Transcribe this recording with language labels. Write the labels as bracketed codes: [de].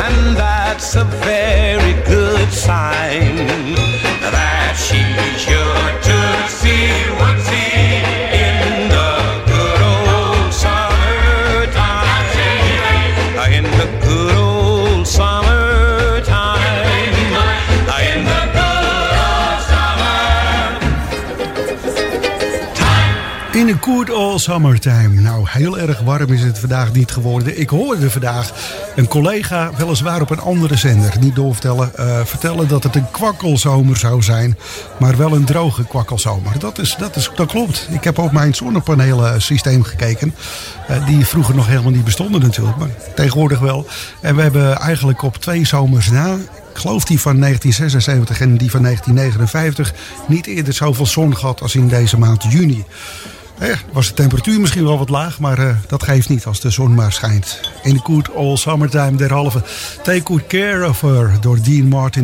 [en] And that's a very good sign that she's sure to see what's in the good old summer time. In the good old summer time. In the good old summer time. In the good old summer time. [nl] Nou, heel erg warm is het vandaag niet geworden. Ik hoorde vandaag een collega, weliswaar op een andere zender, niet doorvertellen, vertellen dat het een kwakkelzomer zou zijn, maar wel een droge kwakkelzomer. Dat klopt. Ik heb op mijn zonnepanelen systeem gekeken, die vroeger nog helemaal niet bestonden natuurlijk, maar tegenwoordig wel. En we hebben eigenlijk op twee zomers na, ik geloof die van 1976 en die van 1959, niet eerder zoveel zon gehad als in deze maand juni. Was de temperatuur misschien wel wat laag, maar dat geeft niet als de zon maar schijnt. [en] In the good old summertime derhalve. Take good care of her door Dean Martin.